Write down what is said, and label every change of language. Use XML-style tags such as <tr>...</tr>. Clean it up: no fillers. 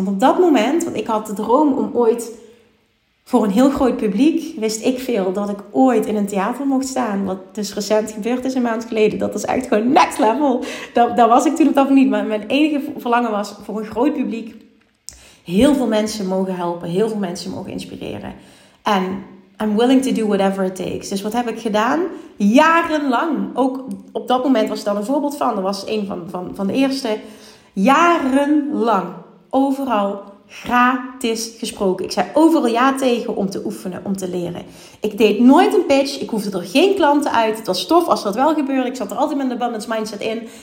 <nl>Want op dat moment, want ik had de droom om ooit voor een heel groot publiek, wist ik veel dat ik ooit in een theater mocht staan. Wat dus recent gebeurd is een maand geleden. Dat is echt gewoon next level. Dat was ik toen op dat moment niet. Maar mijn enige verlangen was voor een groot publiek. Heel veel mensen mogen helpen. Heel veel mensen mogen inspireren. En</nl> <en>I'm willing to do whatever it takes.</en> <nl>Dus wat heb ik gedaan? Jarenlang. Ook op dat moment was dat een voorbeeld van. Dat was een van de eerste. Jarenlang. Overal gratis gesproken. Ik zei overal ja tegen om te oefenen, om te leren. Ik deed nooit een pitch. Ik hoefde er geen klanten uit. Het was tof als dat wel gebeurde. Ik zat er altijd met een abundance mindset in.</nl>